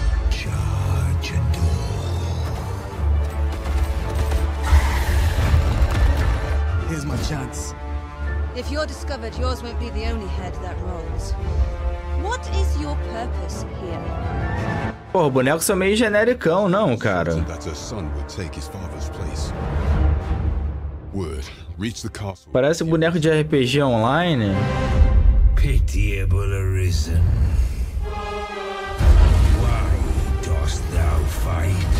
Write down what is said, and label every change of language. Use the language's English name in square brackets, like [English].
[English] Charge and all. Here's my chance. If you're discovered, yours won't be the only head that rolls. What is your purpose here? [Portuguese] Pô, o boneco são meio genericão, não, cara. [English] That's a son would take his father's place. [Portuguese] Word. Parece um boneco de RPG online. [English] Pitiable Arisen. Why dost thou fight?